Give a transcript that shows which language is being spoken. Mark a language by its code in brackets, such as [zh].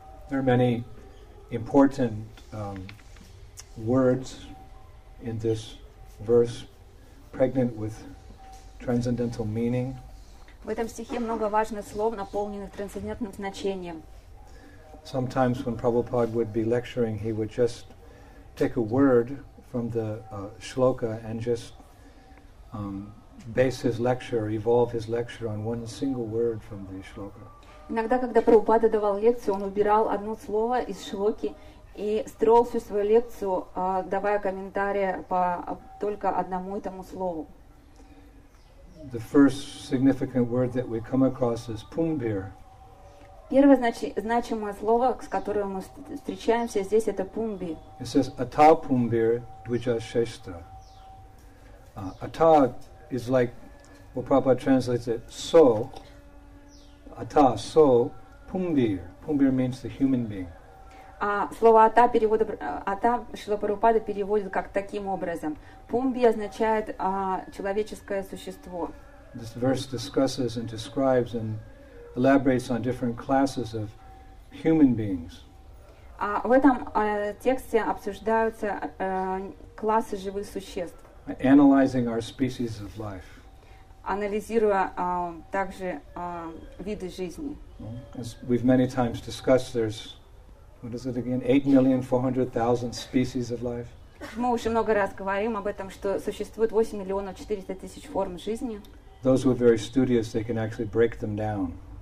[en] There are many important words in this verse, pregnant with transcendental meaning. [ru] В этом стихе много важных слов, наполненных трансцендентным значением. [en] Sometimes when Prabhupada would be lecturing, he would just take a word from the shloka and just base his lecture, evolve his lecture on one single word from the shloka. [ru] Иногда, когда Прабхупада давал лекцию, он убирал одно слово из шлоки и строил всю свою лекцию, давая комментарии по только одному этому слову. [en] The first significant word that we come across is pumbir. [ru] Первое значимое слово, с которым мы встречаемся здесь, это пумби. [en] It says [sa] ata pumbir dvija shesta. [en] Ata is like, well, Prabhupada translates it so. Ata so pumbir. Pumbir means the human being. [ru] Слово ата перевода ата Шрила Прабхупада переводит как таким образом. Пумби означает человеческое существо. [en] This verse discusses and describes and elaborates on different classes of human beings. [ru] В этом тексте обсуждаются классы живых существ. [en] Analyzing our species of life. [ru] Анализируя также виды жизни. [en] As we've many times discussed, there's, what is it again, 8,400,000 species of life. [ru] Мы уже много раз говорим об этом, что существует 8,400,000 форм жизни. [en] Those who are very studious, they can actually break them down.